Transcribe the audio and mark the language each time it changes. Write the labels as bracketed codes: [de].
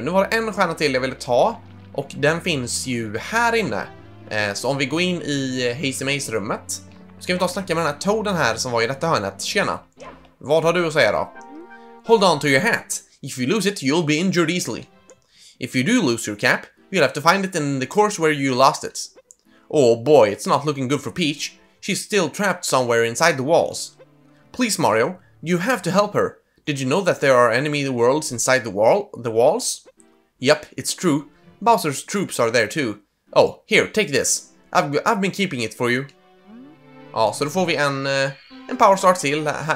[sv] Nu var det en stjärna till jag ville ta, och den finns ju här inne. Så om vi går in i Hazy Maze-rummet, ska vi ta och snacka med den här Toaden här som var i detta hörnet. Tjena. Vad har du att säga då? [en] Hold on to your hat. If you lose it, you'll be injured easily. If you do lose your cap, you'll have to find it in the course where you lost it. Oh boy, it's not looking good for Peach. She's still trapped somewhere inside the walls. Please, Mario, you have to help her. Did you know that there are enemy worlds inside the walls? Yep, it's true. Bowser's troops are there too. Oh, here, take this. I've been keeping it for you. [sv] Ja, så då får vi en power star till.